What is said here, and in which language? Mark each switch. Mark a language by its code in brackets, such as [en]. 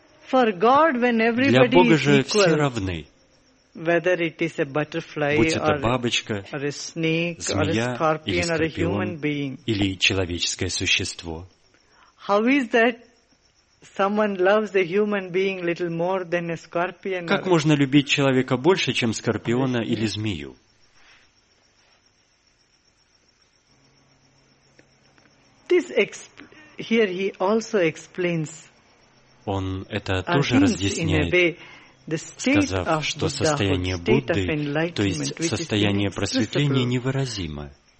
[ru] Для Бога же все равны. [en] Whether it is a butterfly, [ru] будь это бабочка, [en] or a snake, [ru] змея, [en] or a scorpion, [ru] или скорпион, [en] or a human being. [ru] Или человеческое существо. [en] How is that someone loves a human being little more than a scorpion? [ru] Как можно любить человека больше, чем скорпиона или змею? [en] Here he also explains. [ru] Он это тоже разъясняет. Сказав, что состояние Будды, то есть состояние просветления, невыразимо.